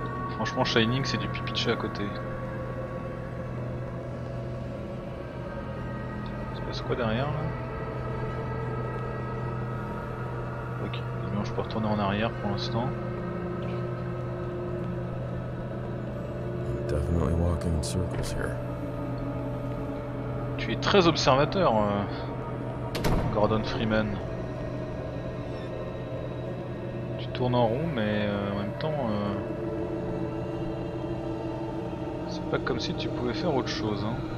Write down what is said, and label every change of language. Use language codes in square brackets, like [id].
[fr] Franchement, Shining, c'est du pipi de chat à côté. Ça passe quoi derrière là? Ok, non, je peux retourner en arrière pour l'instant. [en] Definitely walking in circles here. [fr] Tu es très observateur, Gordon Freeman. Tu tournes en rond, mais en même temps, c'est pas comme si tu pouvais faire autre chose, hein.